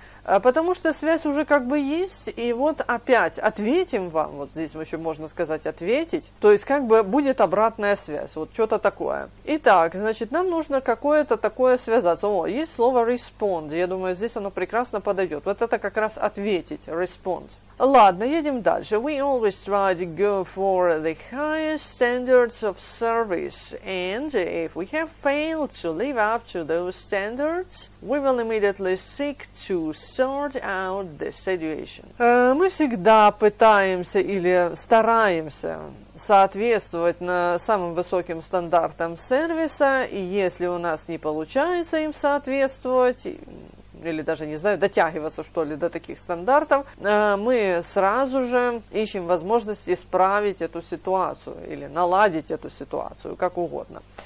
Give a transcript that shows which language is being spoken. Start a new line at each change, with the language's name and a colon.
Russian: Потому что связь уже как бы есть, и вот опять ответим вам, вот здесь еще можно сказать ответить, то есть как бы будет обратная связь, вот что-то такое. Итак, значит, нам нужно какое-то такое связаться. О, есть слово respond, я думаю, здесь оно прекрасно подойдет. Вот это как раз ответить, respond. Ладно, едем дальше.
English: We always try to go for the highest standards of service, and if we have failed to live up to those standards, we will immediately seek to sort out the situation.
Russian: Мы всегда пытаемся или стараемся соответствовать на самым высоким стандартам сервиса, и если у нас не получается им соответствовать, или даже, не знаю, дотягиваться, что ли, до таких стандартов, мы сразу же ищем возможность исправить эту ситуацию или наладить эту ситуацию, как угодно.